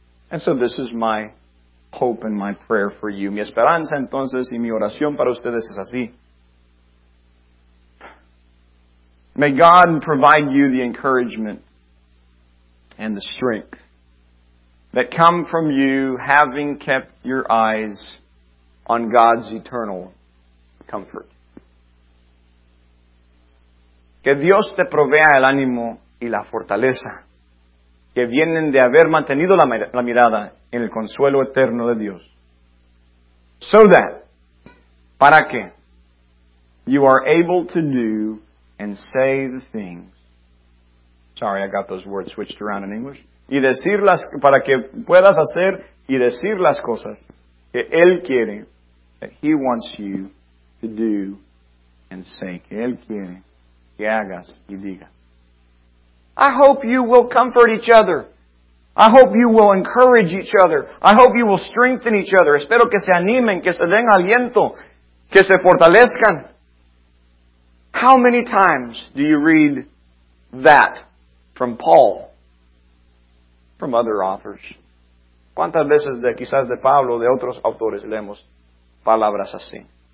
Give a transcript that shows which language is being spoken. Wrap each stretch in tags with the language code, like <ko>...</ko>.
<en>And so this is my hope and my prayer for you.</en> <es>Mi esperanza, entonces, y mi oración para ustedes es así.</es> <en>May God provide you the encouragement and the strength that come from you having kept your eyes on God's eternal comfort.</en> <es>Que Dios te provea el ánimo y la fortaleza que vienen de haber mantenido la mirada en el consuelo eterno de Dios.</es> <en>So that,</en> <es>¿para qué?</es> <en>You are able to do and say the things. Sorry, I got those words switched around in English.</en> <es>Y decir las, para que puedas hacer y decir las cosas que Él quiere,</es> <en>that He wants you to do and say,</en> <es>que Él quiere que hagas y digas.</es> <en>I hope you will comfort each other. I hope you will encourage each other. I hope you will strengthen each other.</en> <es>Espero que se animen, que se den aliento, que se fortalezcan.</es> <en>How many times do you read that from Paul, from other authors?</en> <es>¿Cuántas veces de quizás de Pablo, de otros autores leemos palabras así?</es>